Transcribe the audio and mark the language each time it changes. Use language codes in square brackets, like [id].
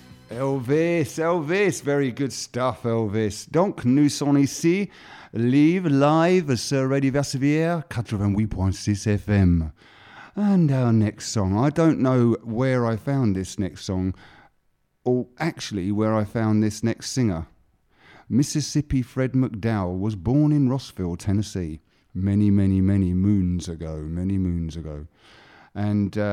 [en] Elvis, very good stuff, Elvis. [fr] Donc, nous sommes ici, live, sur Radio Versevier, 88.6 FM. [en] And our next song. I don't know where I found this next song, or actually where I found this next singer. Mississippi Fred McDowell was born in Rossville, Tennessee, many, many, many moons ago, many moons ago. And...